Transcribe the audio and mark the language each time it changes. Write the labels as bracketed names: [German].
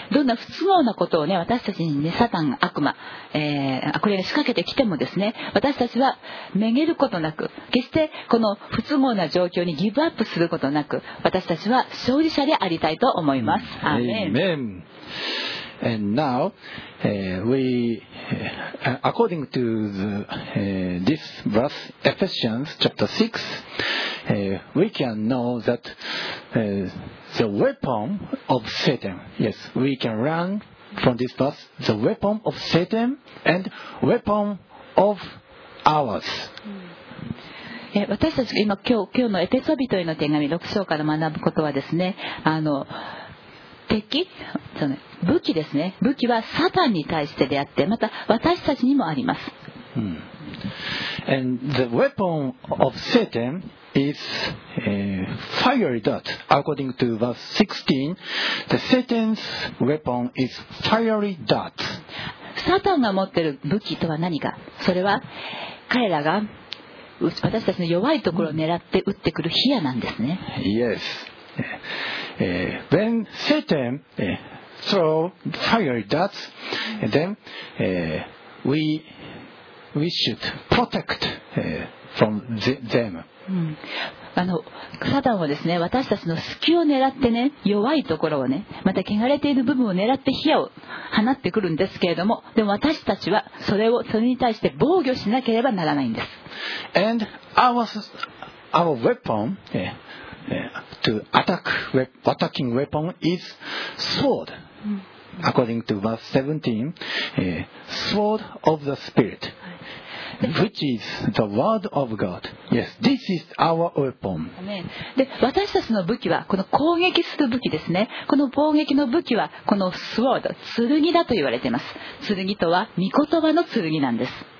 [Japanese] どんな不都合なことをね私たちにねサタン悪魔、これに仕掛けてきてもですね私たちはめげることなく決してこの不都合な状況にギブアップすることなく私たちは勝利者でありたいと思います。 [English] Amen. And now, we, according to the, this verse, Ephesians chapter 6, we can know that the weapon of Satan, yes, we can learn from this verse, the weapon of Satan and weapon of ours. [Japanese] 私たちが今日のエペソ人への手紙6章から学ぶことはですね、敵、その武器ですね。武器はサタンに対してであって、また私たちにもあります。 Mm. [English] And the weapon of Satan is fiery dart. According to verse 16, the Satan's weapon is fiery dart. [Japanese] サタンが持っている武器とは何か。それは彼らが私たちの弱いところを狙って撃ってくる火矢なんですね。 [English] Yes. When Satan throw fiery darts, then we should protect from them. [Japanese] サタンはですね、私たちの隙を狙ってね、弱いところをね、また汚れている部分を狙って火を放ってくるんですけれども、でも私たちはそれに対して防御しなければならないんです。 [English] And our weapon. To attack, attacking weapon is sword. According to verse 17, sword of the spirit, which is the word of God. Yes, this is our weapon. [Japanese] で、私たちの武器はこの攻撃する武器ですね。この攻撃の武器はこの sword、剣だと言われています。剣とは御言葉の剣なんです。